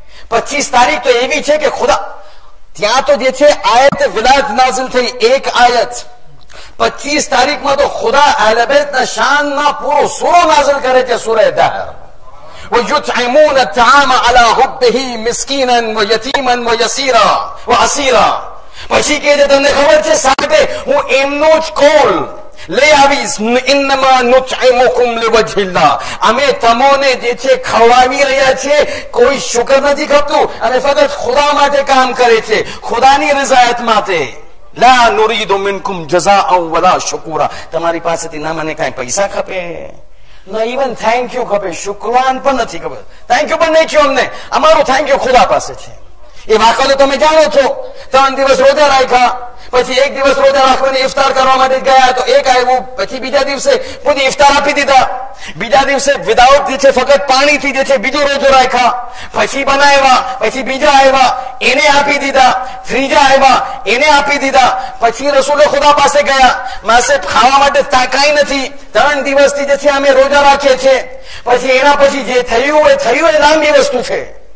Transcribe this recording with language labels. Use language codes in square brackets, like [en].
[gu] 25 તારીખ તો એવી છે કે ખુદા ત્યાં તો જે છે આયત વિલાયત નાઝિલ થઈ એક આયત, 25 તારીખમાં તો ખુદા અહલે બૈતના શાનમાં પૂરો સૂરો નાઝિલ કરે છે સૂરે દહર. [ar] ويطعمون الطعام على حبه مسكينا ويتيما ويسيرا واسيرا. [gu] પછી કે જે તમને ખબર છે સાહેબે હું એમનો જ કોલ લે આવીશ, [ar] انما نطعمكم لوجه الله. [gu] અમે તમને જે છે ખવડાવી રહ્યા છે કોઈ શુકર નથી કરતું, અને ફક્ત ખુદા માટે કામ કરે છે, ખુદાની રઝાયત માટે. [ar] لا نريد منكم جزاء ولا شكورا. [gu] તમારી પાસેથી ના મને કઈ પૈસા ખપે, [en] even thank you [gu] ખબર, શુક્રવાન પણ નથી ખબર, થેન્ક યુ પણ નહીં થયું અમને, અમારું થેન્ક યુ ખુદા પાસે છે. એ વાકલો તમે જાણો છો, 3 દિવસ રોજા રાખ્યા, પછી 1 દિવસ રોજા રાખવાને ઇફતાર કરવા માટે ગયા તો એક આવ્યું, પછી બીજા દિવસે પછી ઇફતાર આપી દીધા, બીજા દિવસે વિધાઉટ જે છે ફક્ત પાણીથી જે છે બીજો રોજો રાખ્યા, પછી બનાવ્યા, પછી બીજા આવ્યા એને આપી દીધા, ત્રીજા આવ્યા એને આપી દીધા, પછી રસૂલ ખુદા પાસે ગયા, માસે ખાવા માટે તાકાઈ નથી, 3 દિવસથી જે છે અમે રોજા રાખીએ છીએ, પછી એના પછી જે થયું એ થયું, એ લાંબી વસ્તુ છે.